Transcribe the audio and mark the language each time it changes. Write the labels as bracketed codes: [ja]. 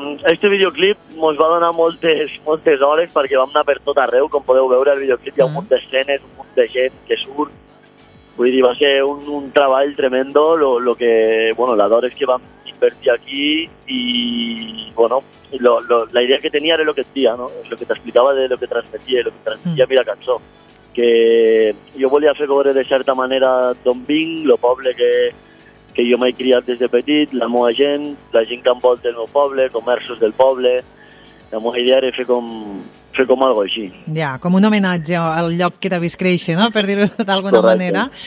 [ca] Este videoclip ens va donar moltes, moltes hores perquè vam anar per tot arreu, com podeu veure, el videoclip hi ha un munt d'escenes, un munt de gent que surt. Vull dir, va ser un treball tremendo, [es] lo que, bueno, las horas que [ca] vam invertir [es] aquí y, bueno, la idea que tenía era lo que decía, ¿no? Lo que te explicaba de lo que transmitía, lo que transmitía mira cançó. [ca] Que jo volia fer veure de certa manera d'on vinc, el poble que jo m'he criat des de petit, la meva gent, la gent que envolta el meu poble, comerços del poble. La meva idea era fer com algo així. Ja, com un homenatge al lloc que t'ha vist créixer, no? Per dir-ho d'alguna manera.